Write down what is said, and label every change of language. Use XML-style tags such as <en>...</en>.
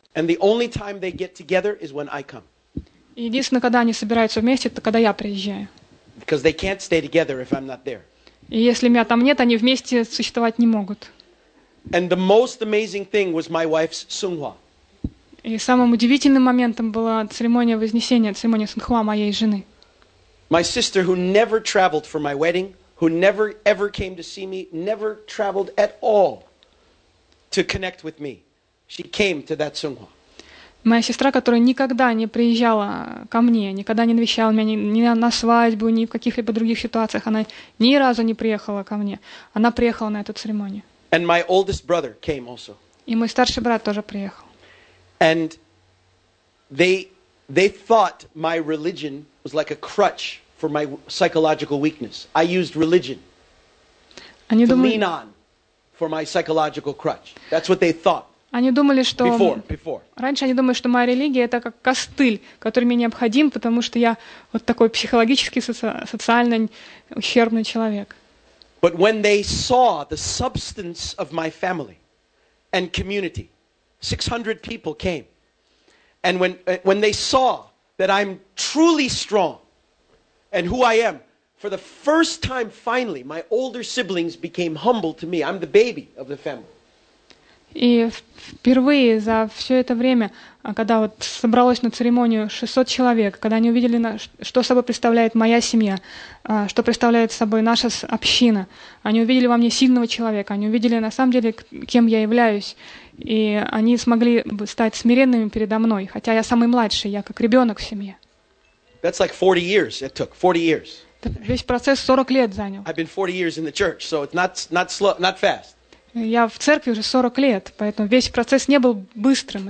<en>And the only time they get together is when I come.</en> <ru>Единственное, когда они собираются вместе, это когда я приезжаю.</ru> <en>Because they can't stay together if I'm not there.</en> <ru>И если меня там нет, они вместе существовать не могут.</ru> <en>And the most amazing thing was my wife's Sunghwa.</en> <ru>И самым удивительным моментом была церемония вознесения, церемония Сунхуа моей жены.</ru> <en>My sister, who never traveled for my wedding, who never ever came to see me, never traveled at all to connect with me. She came to that Sunghwa.</en> <ru>Моя сестра, которая никогда не приезжала ко мне, никогда не навещала меня ни на свадьбу, ни в каких-либо других ситуациях, она ни разу не приехала ко мне. Она приехала на эту церемонию.</ru> <en>And my oldest brother came also.</en> <ru>И мой старший брат тоже приехал.</ru> <en>And they thought my religion was like a crutch for my psychological weakness. I used religion to lean on for my psychological crutch. That's what they thought.</en> <ru>Они думали, что</ru> <en>before.</en> <ru>Раньше они думали, что моя религия — это как костыль, который мне необходим, потому что я вот такой психологически, социально ущербный человек.</ru> <en>But when they saw the substance of my family and community, 600 people came, and when they saw that I'm truly strong and who I am, for the first time, finally, my older siblings became humble to me. I'm the baby of the family.</en> <ru>И впервые за все это время, когда вот собралось на церемонию 600 человек, когда они увидели, что собой представляет моя семья, что представляет собой наша община, они увидели во мне сильного человека, они увидели на самом деле, кем я являюсь, и они смогли стать смиренными передо мной, хотя я самый младший, я как ребенок в семье.</ru> <en>That's like 40 years it took, 40 years.</en> <ru>Весь процесс 40 лет занял.</ru> <en>I've been 40 years in the church, so it's not slow, not fast.</en> <ru>Я в церкви уже 40 лет, поэтому весь процесс не был быстрым.</ru>